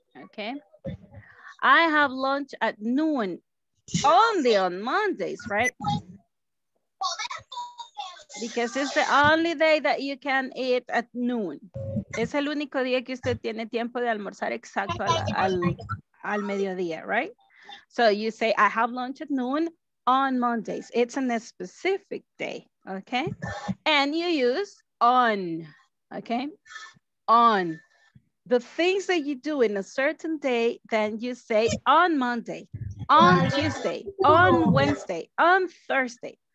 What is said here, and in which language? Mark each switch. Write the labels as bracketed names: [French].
[English] Okay. I have lunch at noon only on Mondays, right? Because it's the only day that you can eat at noon. [Spanish] Es el único día que usted tiene tiempo de almorzar exacto al mediodía, [English] right? So you say, I have lunch at noon on Mondays. It's on a specific day, okay? And you use on, okay? On, the things that you do in a certain day, then you say on Monday, on Tuesday, on Wednesday, on Thursday.